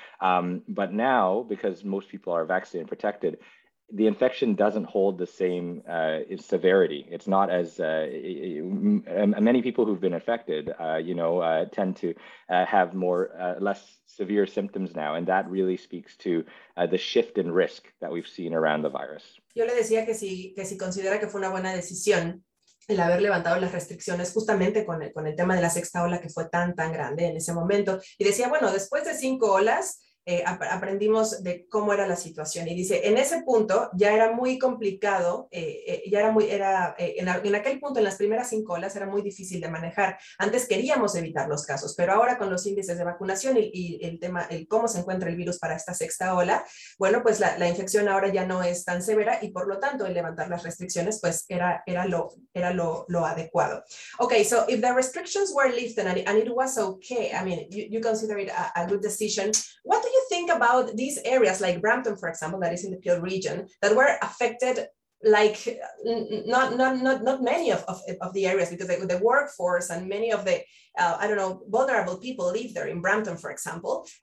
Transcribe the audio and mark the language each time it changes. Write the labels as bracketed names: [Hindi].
[English] But now, because most people are vaccinated and protected, the infection doesn't hold the same severity. It's not as many people who've been infected, tend to have less severe symptoms now. And that really speaks to the shift in risk that we've seen around the virus. [Spanish] Yo le decía que si considera que fue una buena decisión el haber levantado las restricciones justamente con el tema de la sexta ola, que fue tan, tan grande en ese momento. Y decía, bueno, después de 5 olas, aprendimos de cómo era la situación. Y dice, en ese punto ya era muy complicado, en aquel punto, en las primeras 5 olas, era muy difícil de manejar. Antes queríamos evitar los casos, pero ahora con los índices de vacunación y el tema, el cómo se encuentra el virus para esta sexta ola, bueno, pues la infección ahora ya no es tan severa y por lo tanto el levantar las restricciones pues era lo adecuado. [English] Okay, so if the restrictions were lifted and it was okay, I mean, you consider it a good decision, what do you think about these areas like Brampton, for example, that is in the Peel region, that were affected, like not many of the areas, because the workforce and many of the, vulnerable people live there in Brampton, for example.